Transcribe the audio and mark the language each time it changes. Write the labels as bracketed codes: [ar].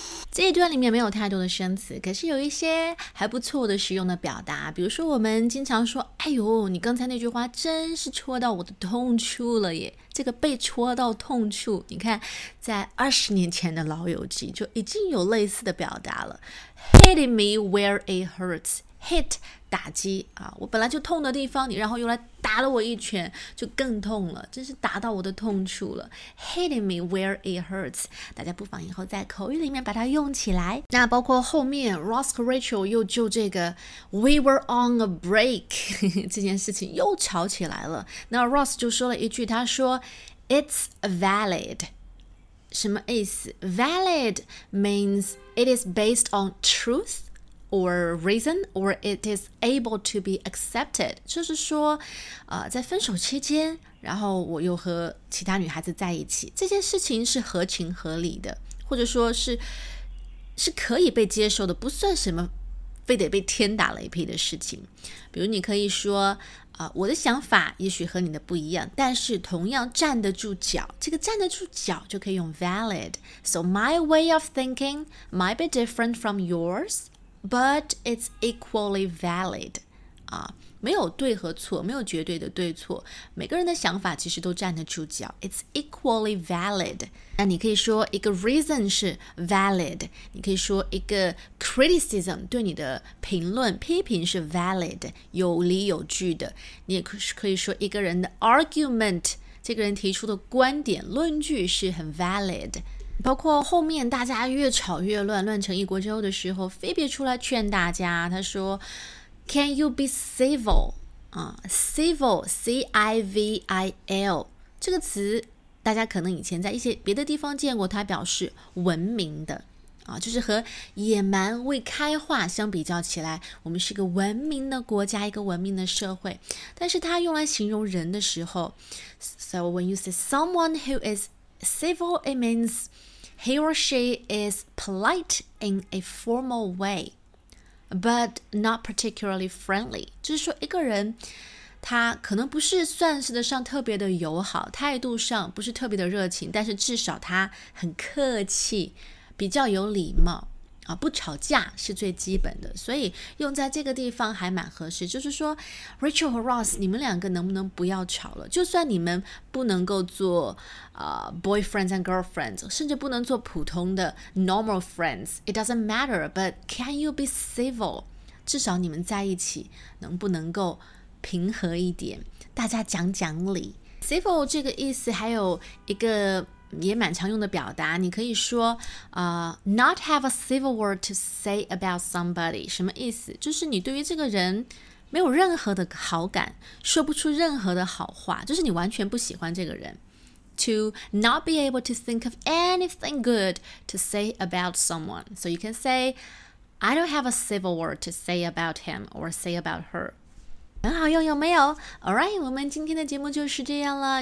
[zh] 这一段里面没有太多的生词，可是有一些还不错的实用的表达。比如说我们经常说，哎呦，你刚才那句话真是戳到我的痛处了耶。这个被戳到痛处，你看在20年前的老友记就已经有类似的表达了。 [en] Hitting me where it hurts. [zh] Hit, 打击啊，我本来就痛的地方，你然后又来打了我一拳，就更痛了，真是打到我的痛处了。 [en] Hitting me where it hurts， [zh] 大家不妨以后在口语里面把它用起来。那包括后面 Ross 和 Rachel 又就这个 [en] We were on a break [zh] 这件事情又吵起来了。那 Ross 就说了一句，他说 [en] It's valid， [zh] 什么意思？ [en] Valid means it is based on truth. Or reason, or it is able to be accepted. [zh] 就是说在分手期间，然后我又和其他女孩子在一起，这件事情是合情合理的，或者说是可以被接受的，不算什么非得被天打雷劈的事情。比如你可以说我的想法也许和你的不一样，但是同样站得住脚，这个站得住脚就可以用 valid. [en] So my way of thinking might be different from yours, but it's equally valid. [zh] 啊，没有对和错，没有绝对的对错，每个人的想法其实都站得住脚。 [en] It's equally valid. [zh] 那你可以说一个 reason 是 valid， 你可以说一个 criticism 对你的评论批评是 valid， 有理有据的。你也可以说一个人的 argument， 这个人提出的观点论据是很 valid。包括后面大家越吵越乱，乱成一锅粥的时候，菲比出来劝大家，他说 [en] Can you be civil? [zh] Civil, C-I-V-I-L 这个词大家可能以前在一些别的地方见过，它表示文明的就是和野蛮未开化相比较起来，我们是个文明的国家，一个文明的社会。但是它用来形容人的时候， [en] So when you say someone who is civil, it means he or she is polite in a formal wayBut not particularly friendly. [zh] 就是说一个人他可能不是算是得上特别的友好，态度上不是特别的热情，但是至少他很客气，比较有礼貌不吵架是最基本的。所以用在这个地方还蛮合适，就是说 Rachel 和 Ross 你们两个能不能不要吵了，就算你们不能够做 [en] boyfriends and girlfriends， [zh] 甚至不能做普通的 [en] normal friends， It doesn't matter， But can you be civil， [zh] 至少你们在一起能不能够平和一点，大家讲讲理。 Civil 这个意思还有一个也蛮常用的表达，你可以说 [en] not have a civil word to say about somebody， [zh] 什么意思？就是你对于这个人没有任何的好感，说不出任何的好话，就是你完全不喜欢这个人。 [en] To not be able to think of anything good to say about someone， So you can say I don't have a civil word to say about him or say about her。 [zh] 很好用，有没有 ？Alright， 我们今天的节目就是这样了。